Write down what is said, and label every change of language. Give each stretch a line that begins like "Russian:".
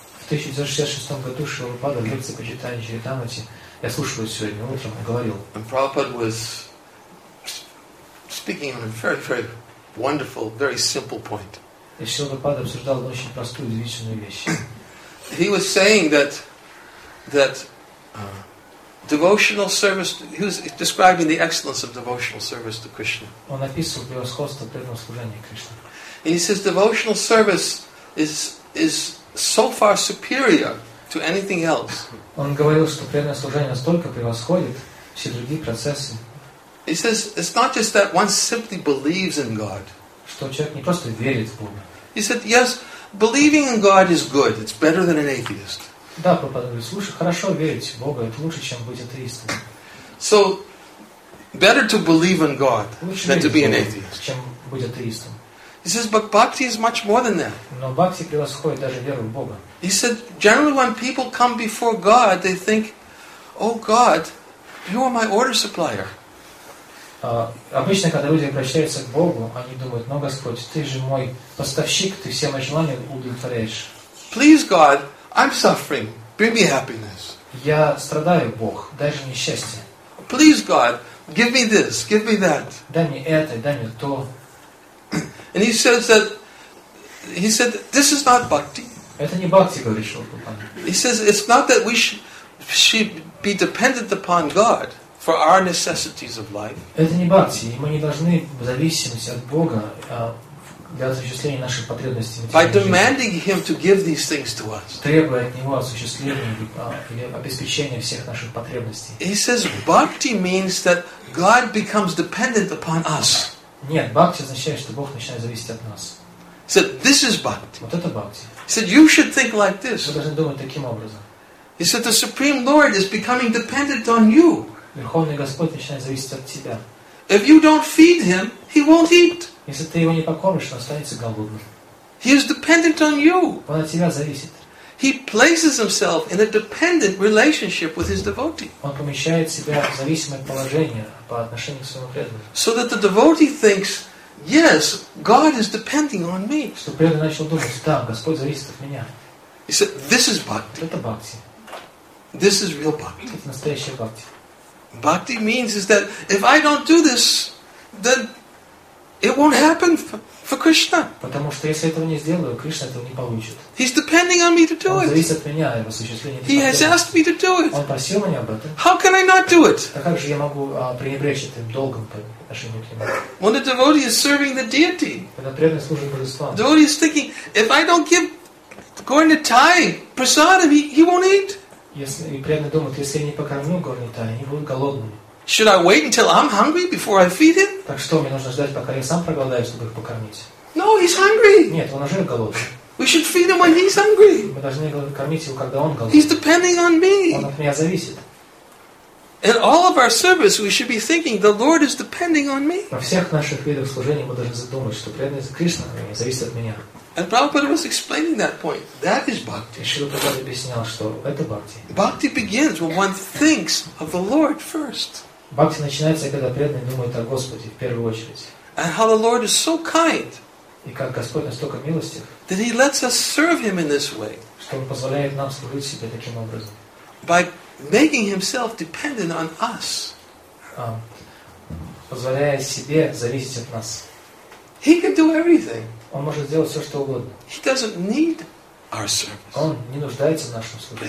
Russian: В 1966 году Шрила Прабхупада в лекции по читанию Чаритамрити, я слушал его сегодня утром, он говорил.
English: And Prabhupada was speaking on a very, very wonderful, very simple point.
Russian: И Шрила Прабхупада обсуждал очень простую, удивительную вещь.
English: He was saying that devotional service, he was describing the excellence of devotional service to Krishna.
Russian: Он описывал превосходство преданного служения Кришне.
English: And he says devotional service is so far superior to anything else.
Russian: Он говорил, что преданное служение настолько превосходит все другие процессы.
English: He says it's not just that one simply believes in God.
Russian: Что человек не просто верит в Бога.
English: He said, yes, believing in God is good. It's better than an atheist.
Russian: Да, преподобный, слушай, хорошо верить в Бога, это лучше, чем быть атеистом.
English: So, better to believe in God than to be an atheist.
Russian: Чем быть атеистом.
English: He says, but bhakti is much more than that.
Russian: Но бхакти превосходит даже веру в Бога.
English: He said, generally when people come before God, they think, oh God, you are my order supplier.
Russian: Обычно, когда люди обращаются к Богу, они думают, ну Господь, ты же мой поставщик, ты все мои желания удовлетворяешь.
English: Please, God, I'm suffering. Bring me happiness.
Russian: Я страдаю, Бог, дай же мне счастье.
English: Please, God, give me this, give me that.
Russian: Дай мне это, дай мне то.
English: And he says that, he said, this is not bhakti.
Russian: Это не бхакти, говорит Шрила Прабхупада.
English: He says, it's not that we should be dependent upon God for our necessities of life.
Russian: Это не бхакти, мы не должны в зависимости от Бога для осуществления наших потребностей.
English: By demanding Him to give these things to us.
Russian: Требуя от Него осуществления или обеспечения всех наших потребностей.
English: He says bhakti means that God becomes dependent upon us.
Russian: Нет, бхакти означает, что Бог начинает зависеть от нас.
English: He said this is bhakti.
Russian: Вот это бхакти.
English: He said you should think like this.
Russian: Вы должны думать таким образом.
English: He said the Supreme Lord is becoming dependent on you.
Russian: Верховный Господь начинает зависеть от тебя.
English: If you don't feed him, he won't eat.
Russian: Если ты его не покормишь, он останется голодным.
English: He is dependent on you.
Russian: Он от тебя зависит.
English: He places himself in a dependent relationship with his devotee.
Russian: Он помещает себя в зависимое положение по отношению к своему преданному.
English: So that the devotee thinks, yes, God is depending on me.
Russian: Чтобы преданный начал думать, да, Господь зависит от меня.
English: He said, this is bhakti.
Russian: Это бхакти.
English: This is real bhakti.
Russian: Это настоящая бхакти.
English: Bhakti means is that if I don't do this, then it won't happen for Krishna.
Russian: Потому что если этого не сделаю, Кришна этого не получит.
English: He's depending on me to do it.
Russian: Он зависит от меня, его осуществление.
English: He has asked me to do it.
Russian: Он просил меня об этом.
English: How can I not do it?
Russian: А как же я могу пренебречь этим долгом по отношению к нему?
English: When the devotee is serving the deity.
Russian: Когда преданный служит божеству.
English: The devotee is thinking, if I don't give Gornitai prasadam, he won't eat.
Russian: Если преданный думает, если я не покормлю Горнитая, они будут голодными.
English: Should I wait until I'm hungry before I feed him?
Russian: Так что мне нужно ждать, пока я сам проголодаю, чтобы их покормить?
English: No, he's hungry.
Russian: Нет, он уже голодный.
English: We should feed him when he's hungry.
Russian: Мы должны кормить его, когда он голодный.
English: He's depending on me.
Russian: Он от меня зависит.
English: In all of our service, we should be thinking the Lord is depending on me.
Russian: Во всех наших видах служения мы должны задумывать, что преданный Кришна зависит от меня.
English: And Prabhupada was explaining that point. That is bhakti.
Russian: Шрила Прабхупада объяснял, что это бхакти.
English: Bhakti begins when one thinks of the Lord first.
Russian: Бхакти начинается, когда преданный думает о Господе в первую очередь.
English: And how the Lord is so kind.
Russian: И как Господь настолько милостив.
English: That He lets us serve Him in this way.
Russian: Что Он позволяет нам служить себе таким образом.
English: By making Himself dependent on us.
Russian: Позволяя себе зависеть от нас.
English: He can do everything.
Russian: Он может сделать все, что угодно.
English: He doesn't need our service.
Russian: Он не нуждается в нашем служении.